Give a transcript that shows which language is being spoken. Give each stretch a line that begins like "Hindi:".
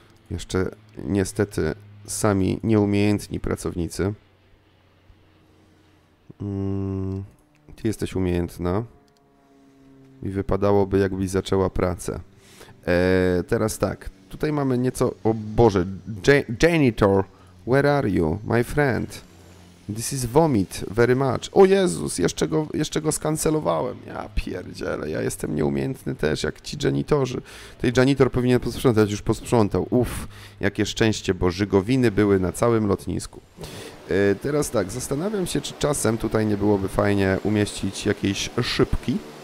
Polish: Jeszcze niestety sami nieumiejętni pracownicy. Ty jesteś umiejętna. I wypadałoby, jakby zaczęła pracę. Teraz tak. Tutaj mamy nieco... O Boże.
English: Janitor, where are you, my friend? This is vomit very much.
Polish: O Jezus, jeszcze go skancelowałem. Ja pierdzielę, ja jestem nieumiejętny też, jak ci janitorzy. Tej janitor powinien posprzątać, już posprzątał. Uff, jakie szczęście, bo żygowiny były na całym lotnisku. Teraz tak, zastanawiam się, czy czasem tutaj nie byłoby fajnie umieścić jakiejś szybki.